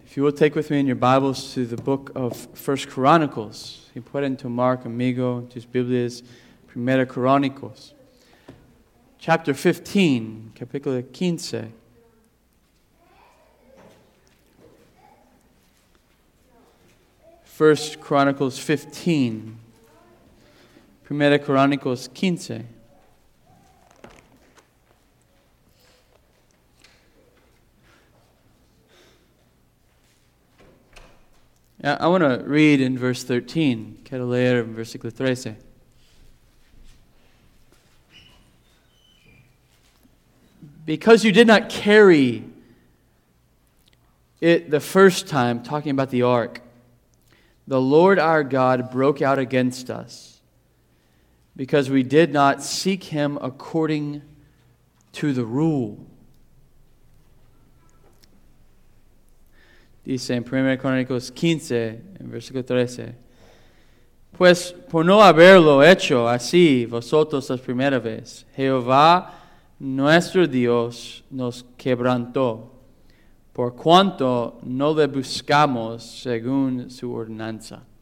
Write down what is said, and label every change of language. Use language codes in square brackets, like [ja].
[en] If you will take with me in your Bibles to the book of 1 Chronicles. [es] Y pueden tomar conmigo tus Biblias, 1 Chronicles. [en] Chapter 15, [es] capítulo 15. [en] First Chronicles 15. 1 Chronicles 15. I want to read in verse 13. [es] Quiero leer en versículo 13. [en] Because you did not carry it the first time, talking about the ark, the Lord our God broke out against us because we did not seek him according to the rule. [es] Dice en 1 Chronicles 15, en versículo 13. Pues por no haberlo hecho así vosotros la primera vez, Jehová nuestro Dios nos quebrantó, por cuanto no le buscamos según su ordenanza.